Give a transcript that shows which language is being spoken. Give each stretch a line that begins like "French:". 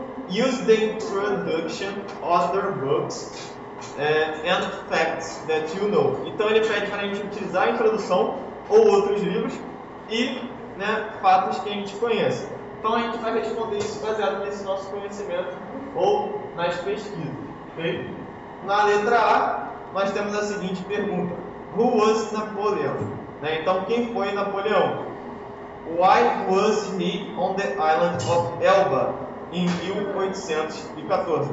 English: Use the introduction of their books and facts that you know.
Portuguese: Então, ele pede para a gente utilizar a introdução ou outros livros e, né, fatos que a gente conhece. Então, a gente vai responder isso baseado nesse nosso conhecimento ou nas pesquisas, ok? Na letra A, nós temos a seguinte pergunta.
English: Who was Napoleon?
Portuguese: Né? Então, quem foi Napoleão?
English: Why was he on the island of Elba em 1814?